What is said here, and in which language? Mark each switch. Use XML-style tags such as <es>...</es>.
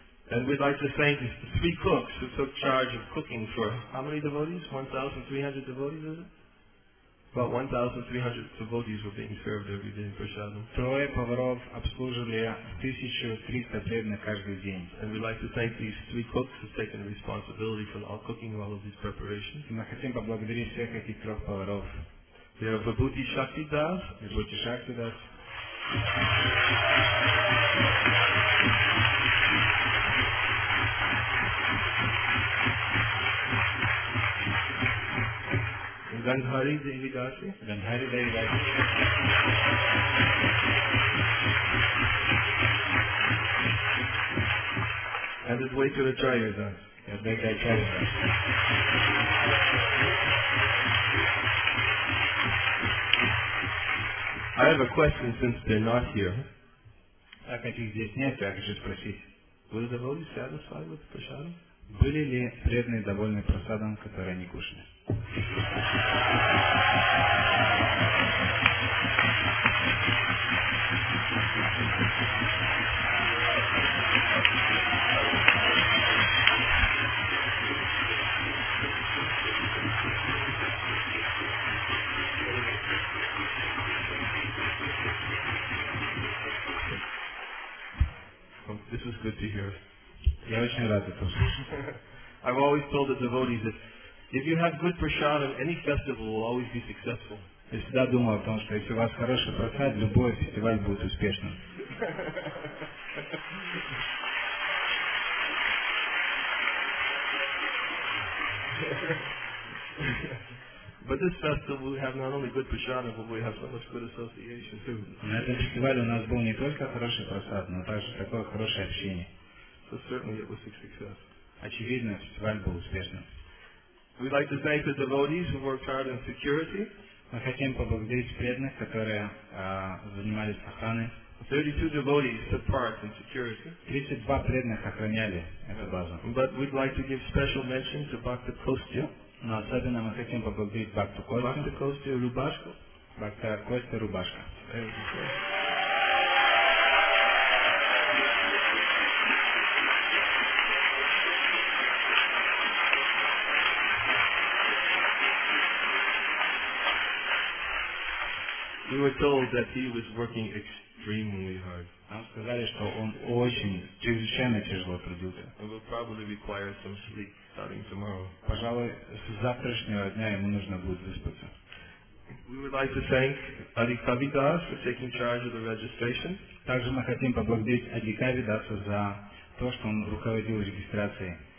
<en>And we'd like to thank the three cooks who took charge of cooking for how many devotees? 1,300 devotees, is it? About 1,300 devotees were being served every day in prasadam.</en> <ru>Трое поваров обслуживали 1,300 преданных каждый день.</ru> <en>And we'd like to thank these three cooks who've taken responsibility for all cooking all of these preparations.</en> <ru>Мы хотим поблагодарить всех этих трех поваров.</ru> <en>We have Vibhuti Shakti Das.</en> <ru>Vibhuti Shakti Das.</ru> <en>Gandhari Devi Dasi.</en> <ru>Gandhari Devi Dasi.</ru> <en>And his way to the Acharya Das. Yes, they got Acharya Das. I have a question since they're not here.</en> <ru>Так, этих здесь нет, я хочу спросить.</ru> <en>Were the devotees satisfied with prasadam?</en> <ru>Были ли преданные довольны прасадом, который они кушали?</ru> <en>good to hear.</en> <ru>Я очень рад это услышать.</ru> <en>I've always told the devotees that if you have good prasadam, any festival will always be successful.</en> <ru>Я всегда думал о том, что если у вас хороший просад, любой фестиваль будет успешным.</ru> <en>But this festival we have not only good prasadam, but we have so much good association too.</en> <ru>На этом фестивале у нас был не только хороший просад, но также такое хорошее общение.</ru> <en>So certainly it was a success.</en> <ru>Очевидно, фестиваль был успешным.</ru> <en>We'd like to thank the devotees who worked hard in security.</en> <ru>Мы хотим поблагодарить преданных, которые занимались охраной.</ru> <en>32 devotees took part in security.</en> <ru>32 преданных охраняли эту базу.</ru> <en>But we'd like to give special mention to Bhakta Kostya.</en> <ru>Но особенно мы хотим поблагодарить Бхакту Костю. Бхакта Костя Рубашко. Бхакта Костя Рубашко.</ru> <en>We were told that he was working extremely hard.</en> <ru>Нам сказали, что он очень чрезвычайно тяжело трудился.</ru> <en>He will probably require some sleep starting tomorrow.</en> <ru>Пожалуй, с завтрашнего дня ему нужно будет выспаться.</ru> <en>We would like to thank Ali Kavidas for taking charge of the registration.</en> <ru>Также мы хотим поблагодарить Ali Kavidasa за то, что он руководил регистрацией.</ru>